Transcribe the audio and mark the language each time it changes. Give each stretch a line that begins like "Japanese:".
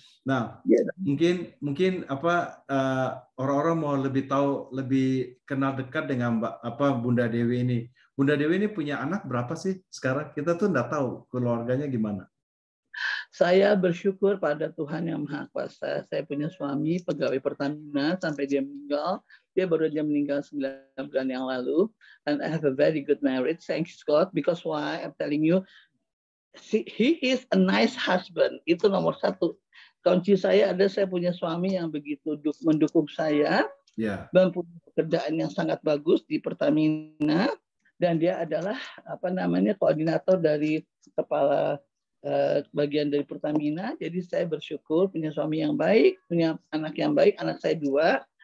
Indonesian: Nah, ya, mungkin apa orang-orang mau lebih tahu, lebih kenal dekat dengan Bunda Dewi ini. Bunda Dewi ini punya anak berapa sih sekarang? Kita tuh enggak tahu keluarganya gimana. Saya bersyukur pada Tuhan Yang Maha Kuasa. Saya punya suami, pegawai Pertamina, sampai dia meninggal. Dia baru saja meninggal 9 bulan yang lalu.
English: And I have a very good marriage, thanks God. Because why? I'm telling you, he is a nice husband.
Indonesian: Itu nomor satu. Kunci saya ada, saya punya suami yang begitu mendukung saya. Yeah. Dan punya pekerjaan yang sangat bagus di Pertamina. Dan dia adalah apa namanya koordinator dari kepala bagian dari Pertamina, jadi saya bersyukur punya suami yang baik, punya anak yang baik, anak saya dua.